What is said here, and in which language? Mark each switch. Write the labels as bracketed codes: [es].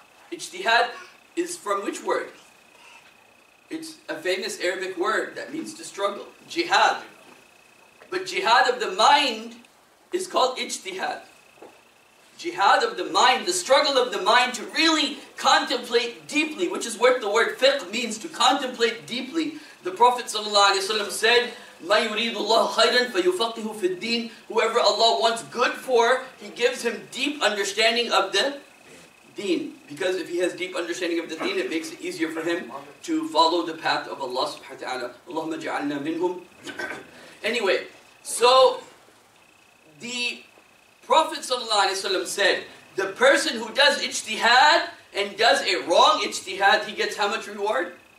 [en] Ijtihad is from which word? It's a famous Arabic word that means to struggle, jihad. But jihad of the mind is called ijtihad. Jihad of the mind, the struggle of the mind to really contemplate deeply, which is what the word fiqh means, to contemplate deeply. The Prophet ﷺ said, [ar] مَا يُرِيدُ اللَّهُ خَيْرًا فَيُفَقِّهُ فِي الدِّينِ. [en] Whoever Allah wants good for, He gives him deep understanding of the deen. Because if he has deep understanding of the deen, it makes it easier for him to follow the path of Allah subhanahu wa ta'ala. [ar] Allahumma ja'alna minhum. [en] Anyway, so the Prophet ﷺ said, the person who does ijtihad and does a wrong ijtihad, he gets how much reward?